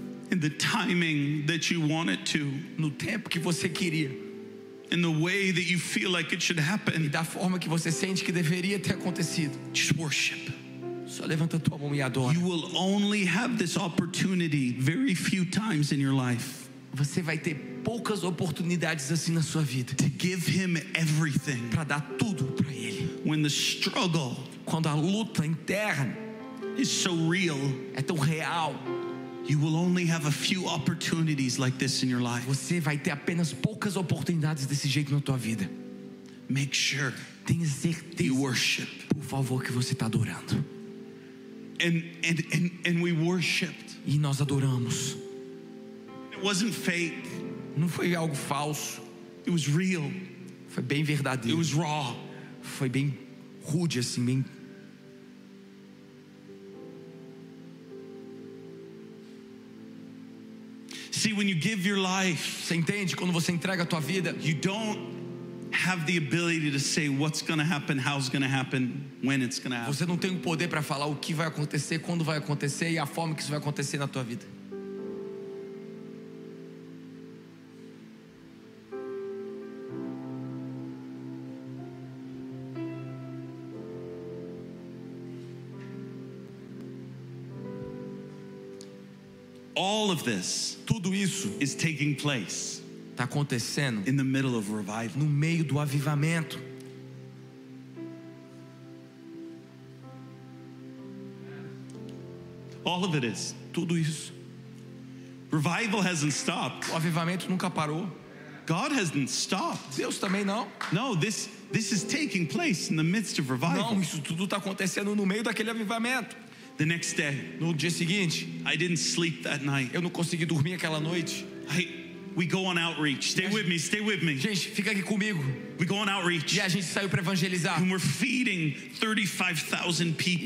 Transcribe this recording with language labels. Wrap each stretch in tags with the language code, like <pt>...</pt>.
<en>in the timing that you want it to,</en> <pt>no tempo que você queria,</pt> <en>in the way that you feel like it should happen,</en> <pt>e da forma que você sente que deveria ter acontecido,</pt> <en>just worship.</en> <pt>Só levanta tua mão e adora.</pt> <en>You will only have this opportunity very few times in your life.</en> <pt>Você vai ter poucas oportunidades assim na sua vida.</pt> <en>To give him everything.</en> <pt>Para dar tudo para ele.</pt> <en>When the struggle,</en> <pt>quando a luta interna,</pt> <en>is so real.</en> <pt>É tão real.</pt> <en>You will only have a few opportunities like this in your life.</en> <pt>Você vai ter apenas poucas oportunidades desse jeito na tua vida.</pt> <en>Make sure.</en> <pt>Tenha certeza.</pt> <en>You worship.</en> <pt>Por favor, que você está adorando.</pt> <en>And we worshiped.</en> <pt>E nós adoramos.</pt> <en>It wasn't fake.</en> <pt>Não foi algo falso.</pt> <en>It was real.</en> <pt>Foi bem verdadeiro.</pt> <en>It was raw.</en> <pt>Foi bem rude assim, bem.</pt> <en>See, when you give your life,</en> <pt>você entende quando você entrega a tua vida,</pt> <en>you don't have the ability to say what's going to happen, how's going to happen, when it's going to happen.</en> <pt>Você não tem o poder para falar o que vai acontecer, quando vai acontecer e a forma que isso vai acontecer na tua vida.</pt> <en>All of this,</en> <pt>tudo isso,</pt> <en>is taking place.</en> <pt>Tá acontecendo.</pt> <en>In the middle of revival.</en> <pt>No meio do avivamento.</pt> <en>All of it is.</en> <pt>Tudo isso.</pt> <en>Revival hasn't stopped.</en> <pt>O avivamento nunca parou.</pt> <en>God hasn't stopped.</en> <pt>Deus também não.</pt> <en>No, this is taking place in the midst of revival.</en> <pt>Não, isso tudo tá acontecendo no meio daquele avivamento.</pt> <en>The next day,</en> <pt>no dia seguinte,</pt> <en>I didn't sleep that night.</en> <pt>Eu não consegui dormir aquela noite.</pt> <en>We go on outreach. Stay with me. Stay with me.</en> <pt>Gente, fica aqui comigo.</pt> <en>We go on outreach.</en> <pt>E a gente saiu para evangelizar.</pt> <en>And we're feeding 35,000 people.</en>